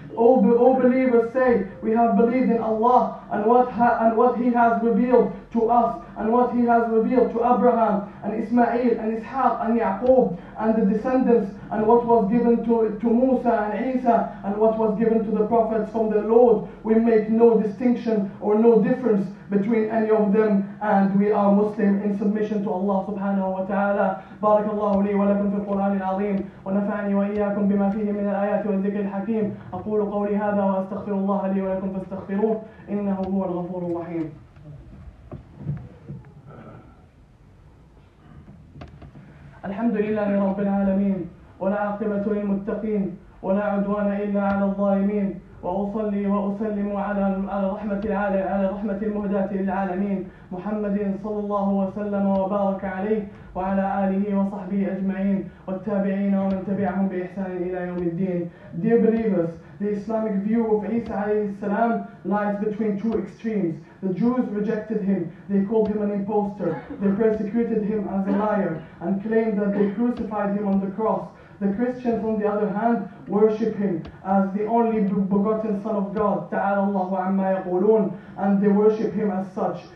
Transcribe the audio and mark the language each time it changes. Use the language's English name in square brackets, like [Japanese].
[English] O believers, say, we have believed in Allah and what He has revealed to us and what He has revealed to Abraham and Ismail and Ishaq and Yaqub and the descendants, and what was given to Musa and Isa, and what was given to the prophets from the Lord. We make no distinction or no difference between any of them, and we are Muslim in submission to Allah subhanahu wa ta'ala. [Arabic] بارك الله لي ولكم في القرآن العظيم ونفعني وإياكم بما فيه من الآيات والذكر الحكيم. أقول قولي هذا وأستغفر الله لي ولكم فاستغفروه إنه هو الغفور الرحيم. الحمد لله رب العالمين، ولا عاقبة للمتقين، ولا عدوان إلا على الظالمين، وأصلي وأسلم على رحمة المهداة للعالمين محمد صلى الله وسلم وبارك عليه وعلى آله وصحبه أجمعين والتابعين ومن تبعهم بإحسان إلى يوم الدين. [English] Dear believers, the Islamic view of Isa alayhi salam lies between two extremes. The Jews rejected him, they called him an imposter, they persecuted him as a liar and claimed that they crucified him on the cross. The Christians, on the other hand, worship him as the only begotten Son of God, [Arabic] تعالى الله عما يقولون, [English] and they worship him as such.